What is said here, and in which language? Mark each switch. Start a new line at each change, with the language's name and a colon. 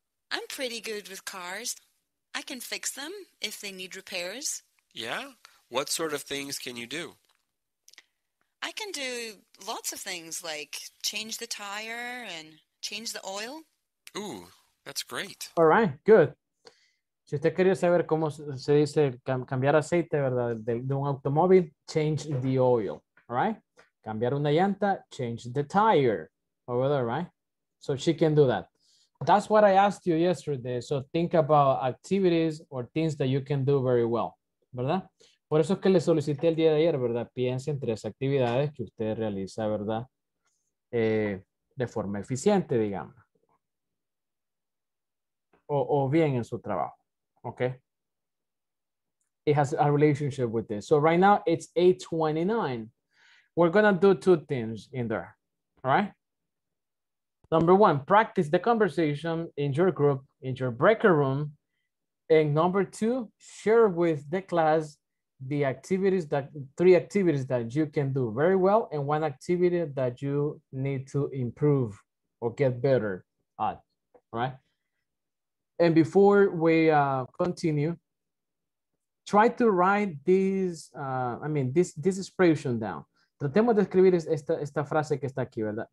English: I'm pretty good with cars. I can fix them if they need repairs. Yeah? What sort of things can you do? I can do lots of things like change the tire and change the oil. Ooh, that's great. All right, good.
Spanish: Si usted quería saber cómo se dice cambiar aceite, ¿verdad? De un automóvil,
English: change the oil, all right?
Spanish: Cambiar una llanta,
English: change the tire, over there, right? So she can do that. That's what I asked you yesterday. So think about activities or things that you can do very well, ¿verdad?
Spanish: Por eso es que le solicité el día de ayer, ¿verdad? Piense en tres actividades que usted realiza, ¿verdad? De forma eficiente, digamos. O bien en su trabajo.
English: Okay. it has a relationship with this. So right now it's 8:29. We're gonna do two things in there, all right? Number one, practice the conversation in your group, in your breaker room. And number two, share with the class the activities, that three activities that you can do very well and one activity that you need to improve or get better at, all right? And before we continue, try to write these, this expression down.
Spanish: Tratemos de escribir esta frase que está aquí, ¿verdad?